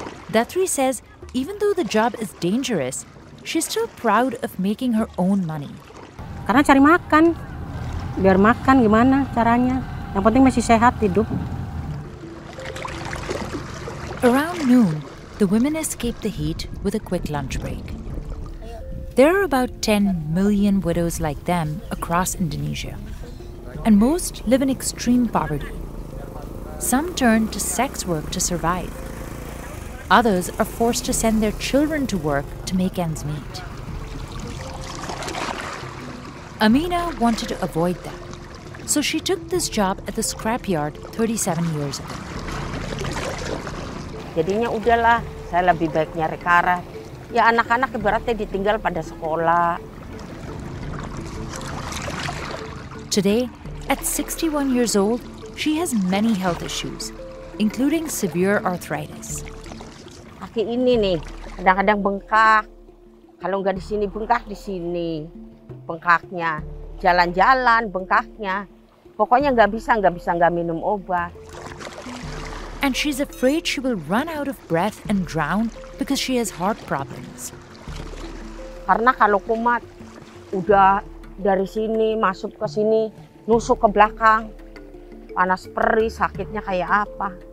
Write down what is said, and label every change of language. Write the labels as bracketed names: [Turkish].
[English] Datri says even though the job is dangerous, she's still proud of making her own money. [Indonesian] Karena cari makan, biar makan gimana caranya. Yang penting masih sehat hidup. [English] Around noon, the women escape the heat with a quick lunch break. There are about 10 million widows like them across Indonesia. And most live in extreme poverty. Some turn to sex work to survive. Others are forced to send their children to work to make ends meet. Amina wanted to avoid that. So she took this job at the scrapyard 37 years ago. [Indonesian] Jadinya udahlah, saya lebih baik nyari karat. Ya anak-anak ibaratnya ditinggal pada sekolah. [English] Today, at 61 years old, she has many health issues, including severe arthritis. [Indonesian] Kaki ini nih, kadang-kadang bengkak. Kalau nggak di sini bengkaknya. Jalan-jalan, bengkaknya. Pokoknya nggak bisa nggak minum obat. [English] And she's afraid she will run out of breath and drown because she has heart problems. [Indonesian] Karena kalau kumat udah dari sini masuk ke sini, nusuk ke belakang, panas perih, sakitnya kayak apa.